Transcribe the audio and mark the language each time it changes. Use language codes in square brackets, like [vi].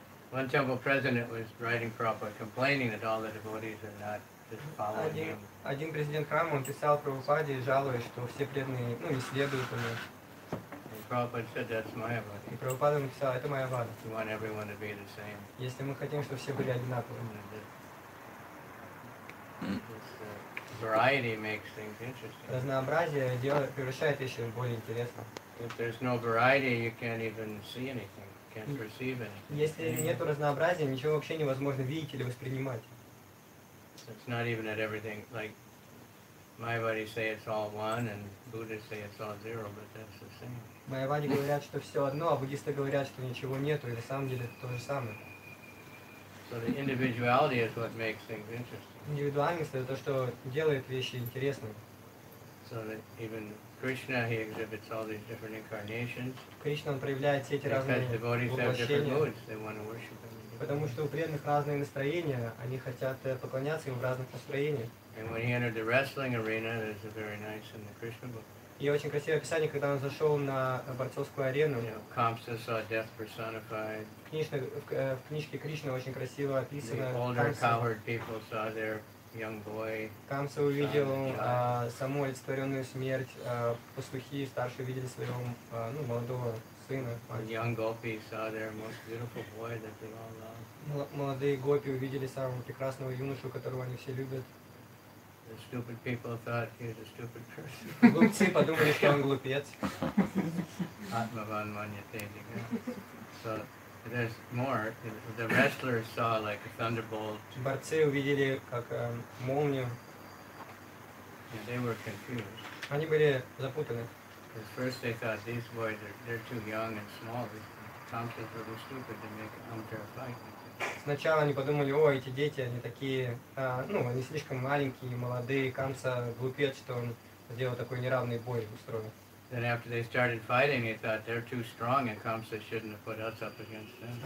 [en] One temple president was writing Prabhupada, complaining that all the devotees are not just following him. [ru] Один президент храма, он писал Прабхупаде, жалуясь, что все преданные, ну, не следуют ему. [en] And Prabhupada said, that's my vada. [ru] И Прабхупада написал, это моя вада. [en] We want everyone to be the same. [ru] Если мы хотим, чтобы все были одинаковыми. [en] This, variety makes things interesting. [ru] Разнообразие делает, превращает вещи в более интересные. [en] If there's no variety, you can't even see anything, can't perceive anything. [ru] Если нет разнообразия, ничего вообще невозможно видеть или воспринимать. [en] It's not even that everything, like, Mayavadi say it's all one, and Buddhists say it's all zero, but that's the same. [ru] Mayavadi говорят, что все одно, а буддисты говорят, что ничего нету, и на самом деле это то же самое. [en] So the individuality is what makes things interesting. [ru] Индивидуальность — это то, что делает вещи интересными. [en] So that even Krishna, he exhibits all these different incarnations. [ru] Кришна проявляет все эти разные воплощения. Потому что у преданных разные настроения, они хотят поклоняться ему в разных настроениях. [en] And when he entered the wrestling arena, there's a very nice in the Krishna book. [ru] И очень красивое описание, когда он зашел на борцовскую арену. [en] Kamsa saw death personified. [ru] В книжке Кришна очень красиво описано. [en] The older coward people saw their young boy. [ru] Камса увидел саму олицетворенную смерть. Пастухи старше видели своего молодого сына. [en] Young gopi saw their most beautiful boy that they all love. [ru] Молодые гопи увидели самого прекрасного юношу, которого они все любят. [en] The stupid people thought he was a stupid person. [ru] Глупцы подумали, что он глупец. [sa] Атмаван маньяте. [en] So there's more. The wrestlers saw like a thunderbolt. [ru] Борцы увидели как молнию. [en] And they were confused. [ru] Они были запутаны. [en] At first they thought these boys they're too young and small. Kamsa is really stupid to make an unfair fight. [ru] Сначала они подумали, о, эти дети, они такие, они слишком маленькие, молодые. Камса глупец, что он сделал такой неравный бой устроил. [en] Then after they started fighting, they thought they're too strong and Kamsa shouldn't have put us up against them.